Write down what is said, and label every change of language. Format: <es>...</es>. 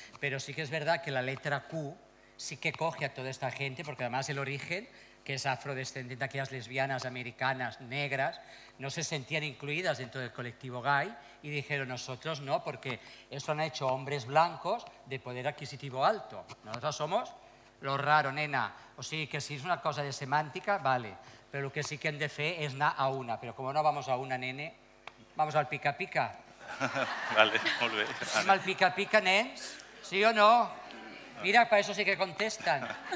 <ca>Però sí que és veritat que</ca> <es>la letra</es> <ca>Q sí que</ca> <es>coge</es> <ca>a tota aquesta gent, perquè, a més, l'origen, que és afrodescendent d'aquelles lesbianes americanes negres, no se sentien incluïdes</ca> <es>dentro del col·lectiu gai i dijeron, nosotros no,</es> <ca>perquè</ca> <es>eso han hecho hombres blancos de poder adquisitivo alto. Nosotros somos lo raro, nena.</es> <ca>O sigui que si és una cosa de semàntica, vale. Però el que sí que hem de fer és anar a una. Però com</ca> <es>no vamos a una, nene, vamos al pica-pica.</es> <ca>Vale, molt bé. Som al pica-pica, nens? Sí o no? Mira, per això sí que contesten.</ca>